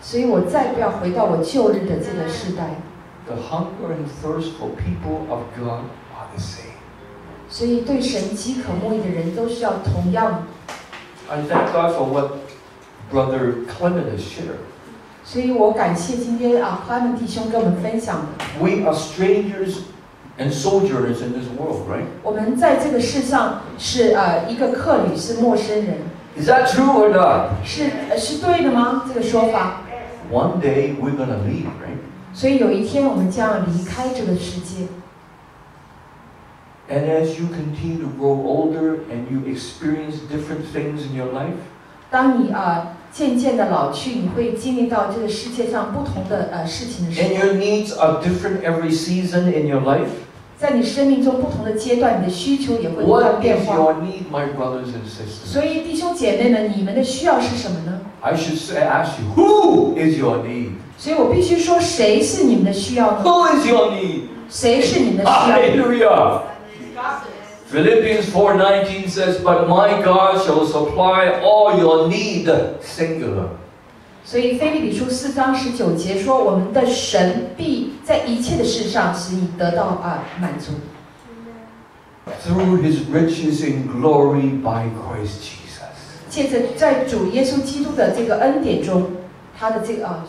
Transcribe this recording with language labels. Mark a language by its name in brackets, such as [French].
[Chinese] 所以我再不要回到我旧日的这个时代。 [English] The hunger and thirst for people of God are the same. [Chinese] 所以对神饥渴慕义的人都是要同样。 [English] I thank God for what Brother Clement has shared. [Chinese] 所以我感谢今天啊，哈曼弟兄跟我们分享的。 [English] We are strangers and sojourners in this world, right? [Chinese] 我们在这个世上是一个客旅，是陌生人。 [English] Is that true or not? [Chinese] 是对的吗？这个说法。 [English] One day we're gonna leave, right? [Chinese] 所以有一天我们将要离开这个世界。 [English] And as you continue to grow older and you experience different things in your life, [Chinese] 当你渐渐的老去，你会经历到这个世界上不同的事情的时候。 [English] And your needs are different every season in your life. [Chinese] 在你生命中不同的阶段，你的需求也会不断变化。 [English] What is your need, my brothers and sisters? [Chinese] 所以弟兄姐妹们，你们的需要是什么呢？ [English] I should say, ask you, who is your need? [Chinese] 所以我必须说，谁是你们的需要呢 [English] ？Who is your need？ [Chinese] 谁是你们的需要 [English] ？Hallelujah！ Philippians 4:19 says, "But my God shall supply all your need." Singular. [Chinese] 所以腓立比书四章十九节说，我们的神必在一切的事上使你得到满足。 [English] Through His riches in glory by Christ Jesus. [Chinese] 借着在主耶稣基督的这个恩典中，他的这个